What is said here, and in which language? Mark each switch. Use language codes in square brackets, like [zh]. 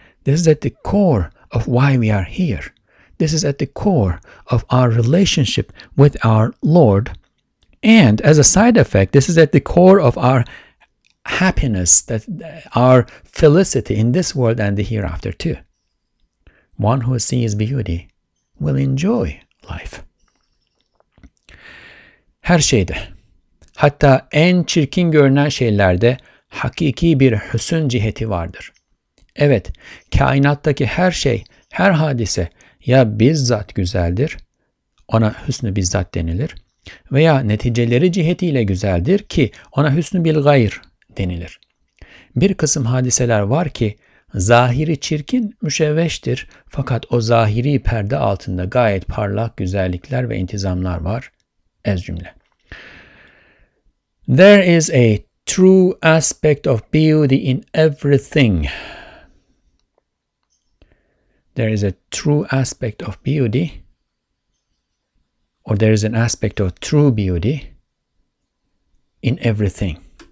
[en] This is at the core of why we are here. This is at the core of our relationship with our Lord. And as a side effect, this is at the core of our happiness, that our felicity in this world and the hereafter too. One who sees beauty will enjoy life. [tr] Her şeyde, hatta en çirkin görünen şeylerde hakiki bir hüsn ciheti vardır. Evet, kainattaki her şey, her hadise ya bizzat güzeldir, ona hüsnü bizzat denilir, veya neticeleri cihetiyle güzeldir ki ona hüsnü bil gayr denilir. Bir kısım hadiseler var ki zahiri çirkin, müşevveştir, fakat o zahiri perde altında gayet parlak güzellikler ve intizamlar var. Ez cümle. [en] There is a true aspect of beauty in everything. There is a true aspect of beauty, or there is an aspect of true beauty in everything.